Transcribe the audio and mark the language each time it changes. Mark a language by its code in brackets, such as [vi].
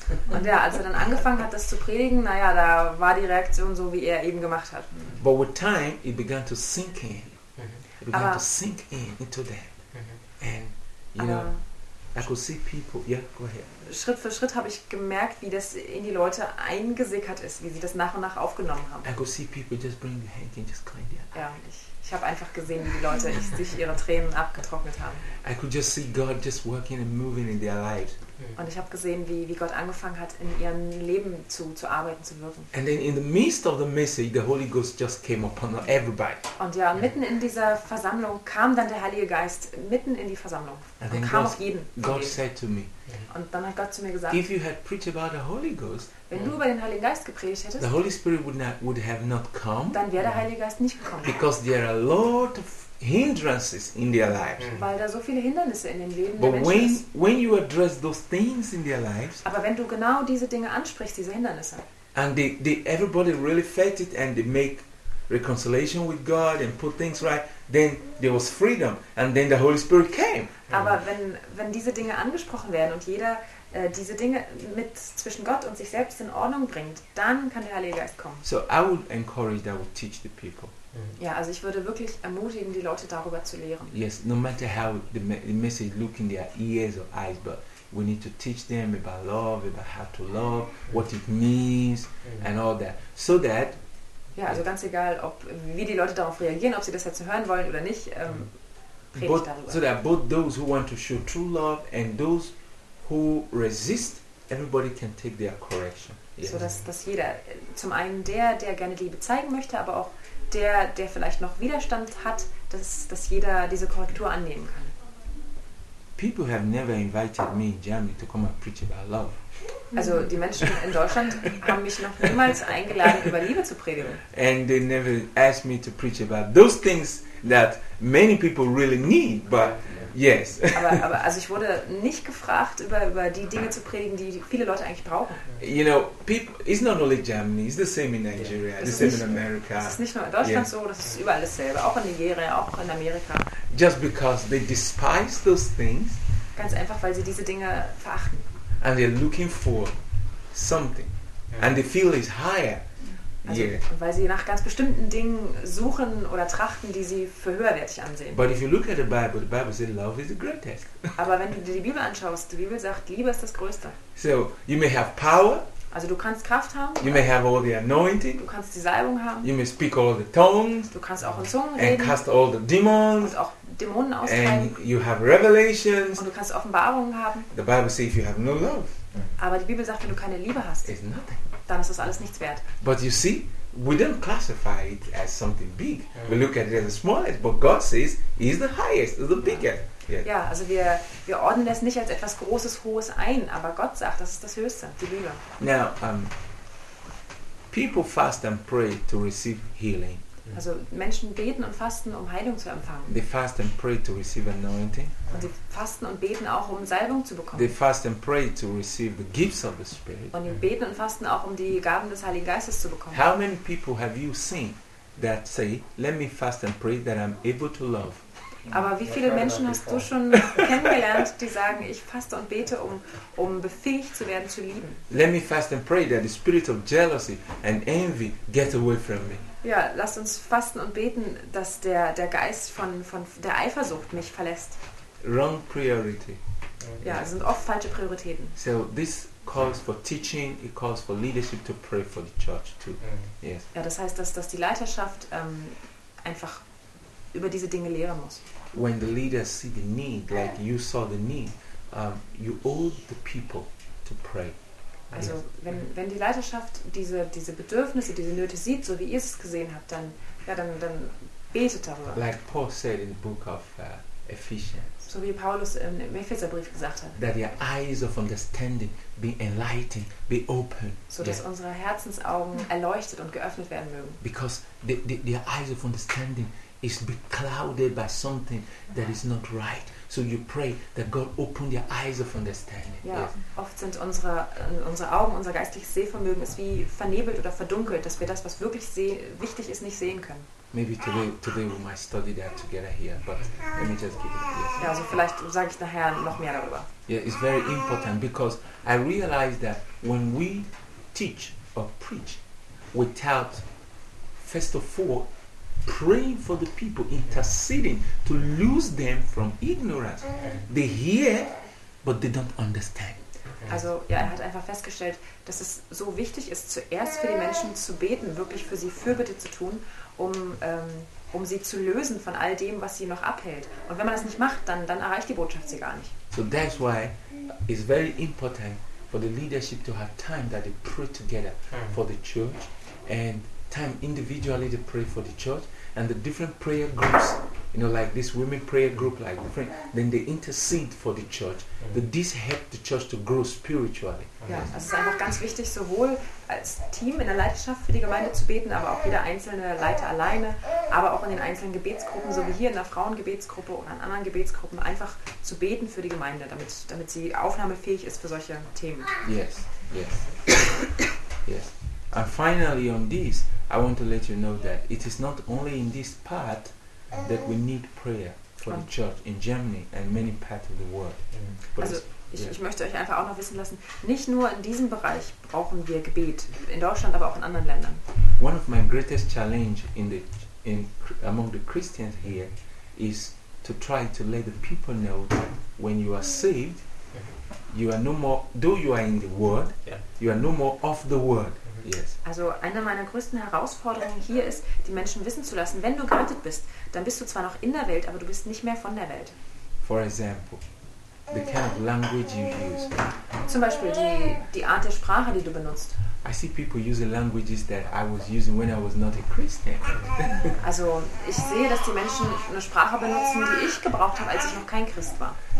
[de] Und ja, als er dann angefangen hat, das zu predigen, naja, da war die Reaktion so, wie er eben gemacht hat. [en] But with time, it began to sink in. It began to sink in into them. And, you know, I could see people, yeah, go ahead. [de] Schritt für Schritt habe ich gemerkt, wie das in die Leute eingesickert ist, wie sie das nach und nach aufgenommen haben. [en] I could see people just bring their hands and just clean their eyes. [de] Ja, ich habe einfach gesehen, wie die Leute sich ihre Tränen abgetrocknet haben. [en] I could just see God just working and moving in their lives. [de] Und ich habe gesehen, wie Gott angefangen hat, in ihrem Leben zu arbeiten, zu wirken. [en] And then in the midst of the message, the Holy Ghost just came upon everybody. [de] Und ja, mitten in dieser Versammlung kam dann der Heilige Geist mitten in die Versammlung [en] and [de] und kam auf jeden. [en] God said to me. [de] Und dann hat Gott zu mir gesagt, [en] if you had preached about the Holy Ghost, [de] wenn du über den Heiligen Geist gepredigt hättest, [en] the Holy Spirit would have not come, [de] dann wäre der Heilige Geist nicht gekommen. [en] Because there are a lot of hindrances in their lives. [de] Weil da so viele Hindernisse in den Leben [en] But [de] der Menschen sind. [en] When you address those things in their lives, [de] aber wenn du genau diese Dinge ansprichst, diese Hindernisse, [en] and they everybody really felt it and they make reconciliation with God and put things right, then there was freedom and then the Holy Spirit came. [de] Aber wenn diese Dinge angesprochen werden und jeder diese Dinge mit zwischen Gott und sich selbst in Ordnung bringt, dann kann der Heilige Geist kommen. [en] So I would encourage that we teach the people. [de] Ja, also ich würde wirklich ermutigen, die Leute darüber zu lehren. [en] Yes, no matter how the message look in their ears or eyes, but we need to teach them about love, about how to love, what it means, and all that, so that. [de] Ja, also ganz egal, ob wie die Leute darauf reagieren, ob sie das jetzt hören wollen oder nicht, predigt darüber. [en] So that both those who want to show true love and those who resist, everybody can take their correction. Yes. [de] So dass jeder, zum einen der gerne Liebe zeigen möchte, aber auch der vielleicht noch Widerstand hat, dass jeder diese Korrektur annehmen kann. [en] People have never invited me in Germany to come and preach about love. [de] Also die Menschen in Deutschland haben mich noch niemals eingeladen, über Liebe zu predigen. [en] And they never asked me to preach about those things that many people really need, but yes. [de] Aber also ich wurde nicht gefragt, über die Dinge zu predigen, die viele Leute eigentlich brauchen. [en] You know, people, it's not only Germany, it's the same in Nigeria, it's the same in America. [de] Es ist nicht nur in Deutschland so, das ist überall dasselbe, auch in Nigeria, auch in Amerika. [en] Just because they despise those things. [de] Ganz einfach, weil sie diese Dinge verachten. [en] And they're looking for something. And they feel it's higher. [de] Also, weil sie nach ganz bestimmten Dingen suchen oder trachten, die sie für höherwertig ansehen. [en] But if you look at the Bible says love is the greatest. [de] Aber wenn du dir die Bibel anschaust, die Bibel sagt, Liebe ist das Größte. [en] So, you may have power. [de] Also du kannst Kraft haben. [en] You may have all the anointing. [de] Du kannst die Salbung haben. [en] You may speak all the tongues. [de] Du kannst auch in Zungen reden. [en] And cast all the demons. [de] Und auch Dämonen austreiben. [en] And you have revelations. [de] Und du kannst Offenbarungen haben. [en] The Bible says if you have no love. [de] Aber die Bibel sagt, wenn du keine Liebe hast, [en] it's nothing. [de] Dann ist das alles nichts wert. [en] But you see, we don't classify it as something big. Mm. We look at it as the smallest, but God says he's the highest, the biggest. Yeah. [de] Ja, also wir ordnen das nicht als etwas Großes, Hohes ein, aber Gott sagt, das ist das Höchste, die Liebe. [en] Now, people fast and pray to receive healing. [de] Also Menschen beten und fasten, um Heilung zu empfangen. [en] They fast and pray to receive anointing. [de] Und sie fasten und beten auch, um Salbung zu bekommen. [en] They fast and pray to receive the gifts of the Spirit. [de] Und sie beten und fasten auch, um die Gaben des Heiligen Geistes zu bekommen. [en] How many people have you seen that say, let me fast and pray that I'm able to love? [de] Aber wie viele Menschen hast du schon kennengelernt, die sagen, ich faste und bete, um befähigt zu werden zu lieben? [en] Let me fast and pray that the spirit of jealousy and envy get away from me. [de] Ja, lasst uns fasten und beten, dass der Geist von der Eifersucht mich verlässt. [en] Wrong priority. [de] Ja, es sind oft falsche Prioritäten. [en] So this calls for teaching, it calls for leadership to pray for the church too. Yes. [de] Ja, das heißt, dass die Leiterschaft einfach über diese Dinge lehren muss. [en] When the leaders see the need, like you saw the need, you owe the people to pray. [de] Also wenn die Leiterschaft diese Bedürfnisse, diese Nöte sieht, so wie ihr es gesehen habt, dann betet darüber. [en] Like Paul said in the book of Ephesians. [de] So wie Paulus im Epheserbrief gesagt hat. [en] That your eyes of understanding be enlightened, be open. [de] So dass unsere Herzensaugen erleuchtet und geöffnet werden mögen. [en] Because the eyes of understanding is beclouded by something that is not right. So you pray that God open their eyes of understanding. [de] Ja, yes. Oft sind unsere Augen, unser geistliches Sehvermögen ist wie vernebelt oder verdunkelt, dass wir das, was wirklich wichtig ist, nicht sehen können. [en] Maybe today we might study that together here, but let me just give it to you. [de] Ja, also vielleicht sage ich nachher noch mehr darüber. [en] Yeah, it's very important because I realize that when we teach or preach without first of all praying for the people, interceding to lose them from ignorance. They hear, but they don't understand. [de] Also, ja, er hat einfach festgestellt, dass es so wichtig ist, zuerst für die Menschen zu beten, wirklich für sie Fürbitte zu tun, um sie zu lösen von all dem, was sie noch abhält. Und wenn man das nicht macht, dann erreicht die Botschaft sie gar nicht. [en] So that's why it's very important for the leadership to have time that they pray together for the church and time individually to pray for the church and the different prayer groups, you know, like this women prayer group, like different, then they intercede for the church. That this helps the church to grow spiritually. [de] Ja, das ist einfach ganz wichtig, sowohl als Team in der Leiterschaft für die Gemeinde zu beten, aber auch jeder einzelne Leiter alleine, aber auch in den einzelnen Gebetsgruppen, so wie hier in der Frauengebetsgruppe oder in anderen Gebetsgruppen, einfach zu beten für die Gemeinde, damit sie aufnahmefähig ist für solche Themen. [en] Yes, yes, yes. And finally on this, I want to let you know that it is not only in this part that we need prayer for the church in Germany and many parts of the world. But [de] also ich möchte euch einfach auch noch wissen lassen, nicht nur in diesem Bereich brauchen wir Gebet, in Deutschland, aber auch in anderen Ländern. [en] One of my greatest challenge among the Christians here is to try to let the people know that when you are saved, you are no more, though you are in the world, you are no more of the world. Yes. [de] Also eine meiner größten Herausforderungen hier ist, die Menschen wissen zu lassen, wenn du gerettet bist, dann bist du zwar noch in der Welt, aber du bist nicht mehr von der Welt. [en] For example, the kind of language you use. [de] Zum Beispiel die Art der Sprache, die du benutzt. [en] I see people using languages that I was using when I was not a Christian. [de] Also ich sehe, dass die Menschen eine Sprache benutzen, die ich gebraucht habe, als ich noch kein Christ war.